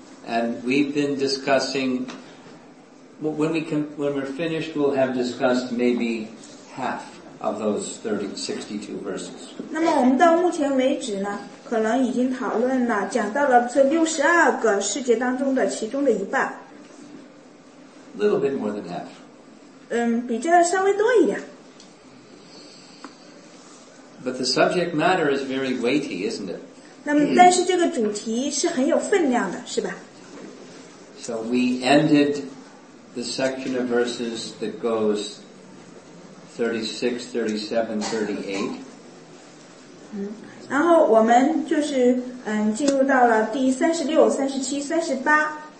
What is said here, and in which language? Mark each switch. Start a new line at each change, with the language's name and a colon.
English: And we've been discussing, when we're finished, we'll have discussed maybe half of those 62 verses.
Chinese: 那么我们到目前为止呢， 可能已经讨论了， 讲到了这62个世界当中的其中的一半。
English: A little bit more than half.
Chinese: 比这稍微多一点。
English: But the subject matter is very weighty, isn't it?
Chinese: 那么但是这个主题是很有分量的，是吧？
English: So we ended the section of verses that goes 36, 37, 38.